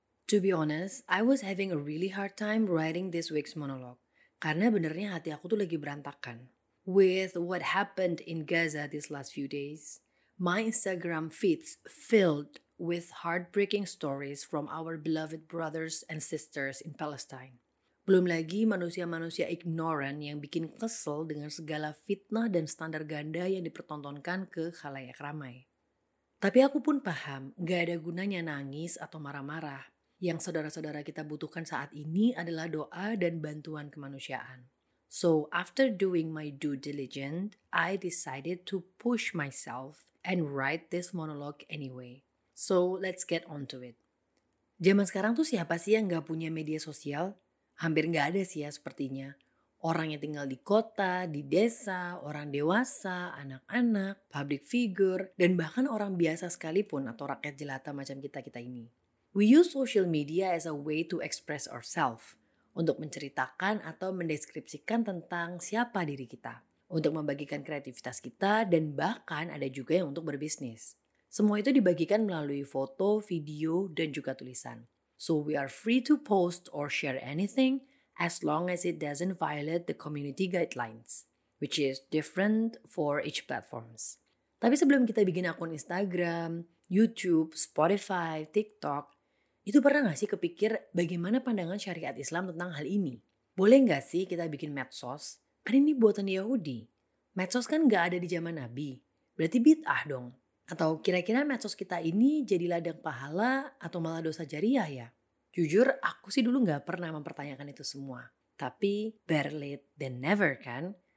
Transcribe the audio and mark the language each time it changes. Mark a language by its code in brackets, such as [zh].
[en] To be honest, I was having a really hard time writing this week's monologue. [id] Karena benernya hati aku tuh lagi berantakan. [en] With what happened in Gaza these last few days, my Instagram feeds filled with heartbreaking stories from our beloved brothers and sisters in Palestine. [id] Belum lagi manusia-manusia ignoran yang bikin kesel dengan segala fitnah dan standar ganda yang dipertontonkan ke khalayak ramai. Tapi aku pun paham, gak ada gunanya nangis atau marah-marah. Yang saudara-saudara kita butuhkan saat ini adalah doa dan bantuan kemanusiaan. [en] So, after doing my due diligence, I decided to push myself and write this monologue anyway. So, let's get on to it. [id] Zaman sekarang tuh siapa sih yang gak punya media sosial? Hampir gak ada sih ya sepertinya. Orang yang tinggal di kota, di desa, orang dewasa, anak-anak, public figure, dan bahkan orang biasa sekalipun atau rakyat jelata macam kita-kita ini. [en] We use social media as a way to express ourselves, [id] untuk menceritakan atau mendeskripsikan tentang siapa diri kita, untuk membagikan kreativitas kita, dan bahkan ada juga yang untuk berbisnis. Semua itu dibagikan melalui foto, video, dan juga tulisan. [en] So we are free to post or share anything as long as it doesn't violate the community guidelines, which is different for each platforms. [id] Tapi sebelum kita bikin akun Instagram, YouTube, Spotify, TikTok, itu pernah gak sih kepikir bagaimana pandangan syariat Islam tentang hal ini? Boleh gak sih kita bikin medsos? Kan ini buatan Yahudi. Medsos kan gak ada di zaman Nabi. Berarti bid'ah dong. Atau kira-kira medsos kita ini jadi ladang pahala atau malah dosa jariah ya? Jujur, aku sih dulu gak pernah mempertanyakan itu semua. Tapi [en] better late than never kan?